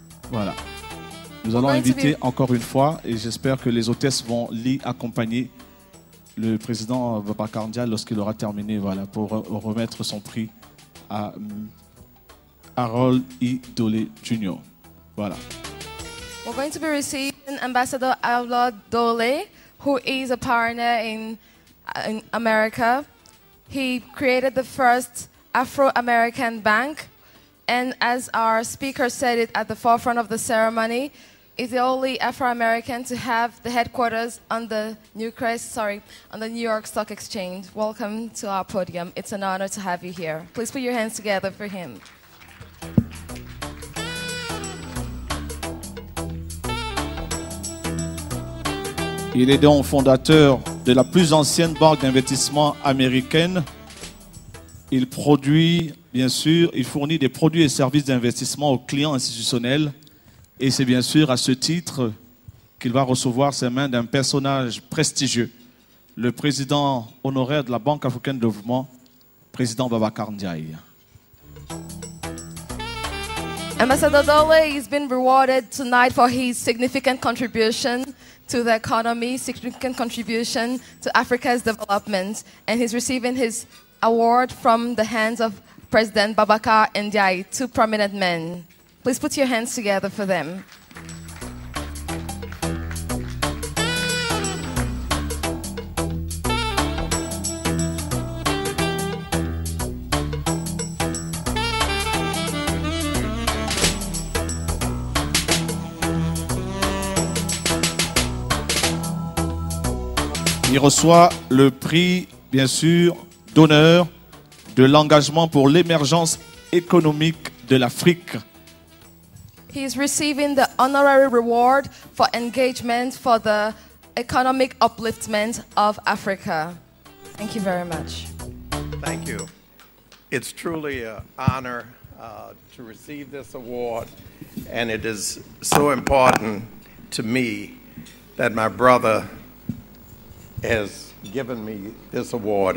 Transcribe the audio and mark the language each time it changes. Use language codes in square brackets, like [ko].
[fr] Voilà. Nous allons inviter encore une fois, et j'espère que les hôtesses vont l'y accompagner le président Babacardia lorsqu'il aura terminé, voilà, pour remettre son prix à Harold E. Doley Jr. Voilà. [en] We're going to be receiving Ambassador Harold Doley, who is a pioneer in America. He created the first Afro-American bank, and as our speaker said it at the forefront of the ceremony, is the only Afro-American to have the headquarters on the New York Stock Exchange. Welcome to our podium. It's an honor to have you here. Please put your hands together for him. [fr] Il est donc fondateur de la plus ancienne banque d'investissement américaine. Il produit, bien sûr, il fournit des produits et services d'investissement aux clients institutionnels. Et c'est bien sûr à ce titre qu'il va recevoir ses mains d'un personnage prestigieux, le président honoraire de la Banque africaine de développement, président Babacar Ndiaye. [en] Ambassador Doley has been rewarded tonight for his significant contribution to the economy, significant contribution to Africa's development, and he's receiving his award from the hands of President Babacar Ndiaye, two prominent men. Please put your hands together for them. [fr] Il reçoit le prix, bien sûr, d'honneur de l'engagement pour l'émergence économique de l'Afrique. [en] He is receiving the honorary reward for engagement for the economic upliftment of Africa. Thank you very much. Thank you. It's truly an honor to receive this award, and it is so important to me that my brother has given me this award.